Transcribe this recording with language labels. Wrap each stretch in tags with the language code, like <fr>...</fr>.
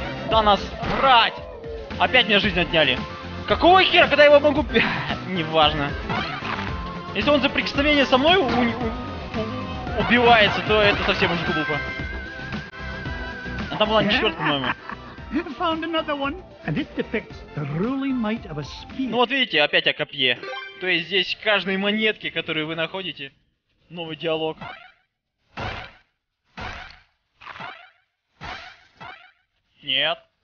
<ru>Да нас врать! Опять мне жизнь отняли. Какого хера, когда я его могу... Неважно. Если он за прикосновение со мной убивается, то это совсем уже глупо. А там была не четверт, по-моему.</ru> <en>Found another one. And it depicts the ruling might of a spear.</en> <ru>Ну вот видите, опять о копье. То есть здесь каждой монетке, которую вы находите, новый диалог. Нет.</ru>